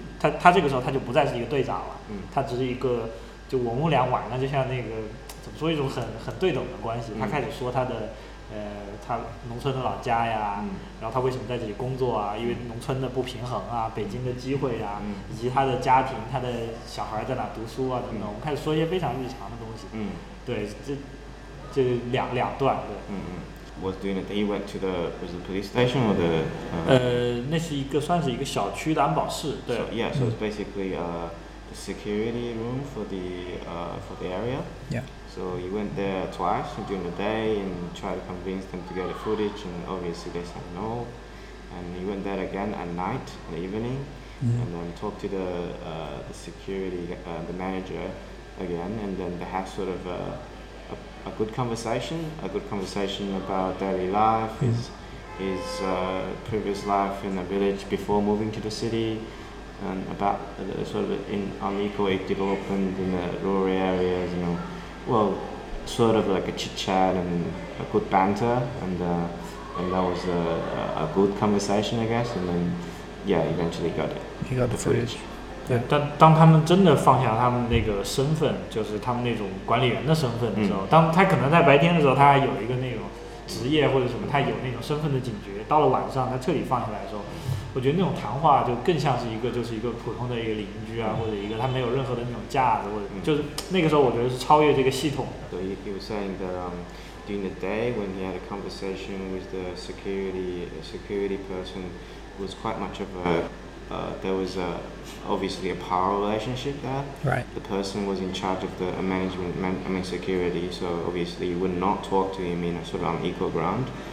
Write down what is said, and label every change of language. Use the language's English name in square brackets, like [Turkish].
[Chinese] 他这个时候他就不再是一个队长了，他只是一个就我们俩晚了，就像那个怎么说一种很对等的关系。他开始说他的他农村的老家呀，然后他为什么在这里工作啊，因为农村的不平衡啊，北京的机会啊，以及他的家庭，他的小孩在哪读书啊等等。我们开始说一些非常日常的东西。对，这两段，对。 [English] What's doing it? He went to the was the police station or the [Chinese] 那是一个算是一个小区的安保室，对。 [English] So, yeah, so it's basically the security room for the area. Yeah. So he went there twice during the day and tried to convince them to get the footage, and obviously they said no. And he went there again at night, in the evening, and then talked to the security the manager again, and then they had sort of a good conversation about daily life, his previous life in the village before moving to the city, and about the sort of in unequal development in the rural areas, you know. Well, sort of like a chit-chat and a good banter, and that was a good conversation, I guess, and then, yeah, eventually got it. He got the footage. [Chinese] 对，当他们真的放下他们那个身份，就是他们那种管理员的身份的时候，当他可能在白天的时候他还有一个那种职业或者什么，他有那种身份的警觉，到了晚上他彻底放下来的时候，我觉得那种谈话就更像是一个就是一个普通的一个邻居啊，或者一个他没有任何的那种架子，或者就是那个时候我觉得是超越这个系统的。 [English] 对， he was saying that during the day when he had a conversation with the security person was quite much of a there was obviously a power relationship there. Right. The person was in charge of the management, security, so obviously you would not talk to him in a sort of unequal ground.